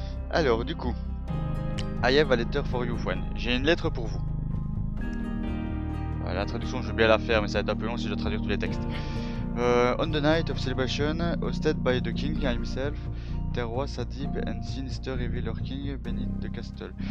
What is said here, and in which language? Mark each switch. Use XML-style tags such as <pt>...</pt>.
<fr>Alors, du coup,</fr> <en>I have a letter for you, friend.</en> <fr>J'ai une lettre pour vous. La traduction, je vais bien la faire, mais ça va être un peu long si je dois traduire tous les textes.</fr> <en>On the night of celebration, hosted by the king himself, Terwa Sadib and Sinister Evil Lurking beneath the castle.</en>